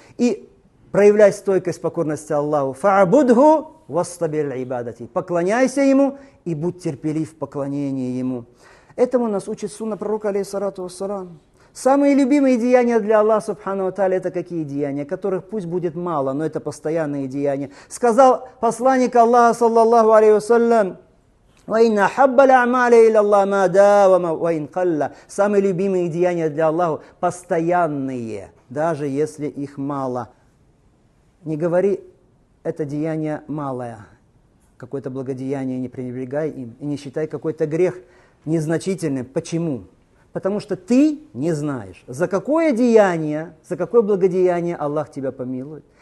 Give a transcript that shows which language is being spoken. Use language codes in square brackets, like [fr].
[ru] И проявляй стойкость покорности Аллаху. [ar] Фа'абудху вастабир ибадати. [ru] Поклоняйся ему и будь терпелив в поклонении ему. Этому нас учит сунна пророка, алейхиссалату вассалам. Самые любимые деяния для Аллаха, субхану ва тааля, это какие деяния? Которых пусть будет мало, но это постоянные деяния. Сказал посланник Аллаха, саллаллаху алейхи вассалям, [ar] وَإِنَّ حَبَّ الْأَعْمَالِ إِلَى اللَّهِ مَا دَاوَمَ وَإِنْ قَلَّ. [ru] Самые любимые деяния для Аллаха – постоянные, даже если их мало. Не говори, это деяние малое. Какое-то благодеяние не пренебрегай им. И не считай какой-то грех незначительным. Почему? Потому что ты не знаешь, за какое деяние, за какое благодеяние Аллах тебя помилует.